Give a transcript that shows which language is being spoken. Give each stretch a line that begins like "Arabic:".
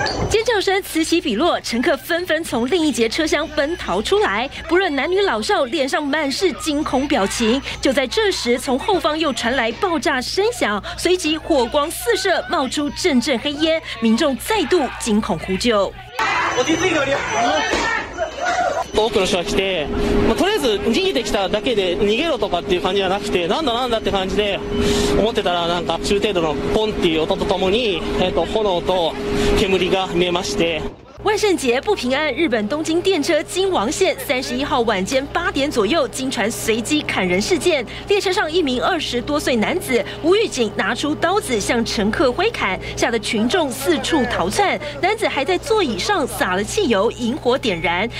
Chinese: 尖叫声此起彼落，乘客纷纷从另一节车厢奔逃出来，不论男女老少，脸上满是惊恐表情。就在这时，从后方又传来爆炸声响，随即火光四射，冒出阵阵黑烟，民众再度惊恐呼救。我第一次听到你。
Japanese: 多くの人が来て、まあ、とりあえず逃げてきただけで逃げろとかっていう感じじゃなくて、なんだなんだって感じで思ってたら、なんか中程度のポンっていう音とともに、炎と煙が見えまして。
Chinese: 万圣节不平安，日本东京电车京王线31号晚间8点左右，经传随机砍人事件。列车上一名20多岁男子无预警拿出刀子向乘客挥砍，吓得群众四处逃窜。男子还在座椅上撒了汽油，引火点燃。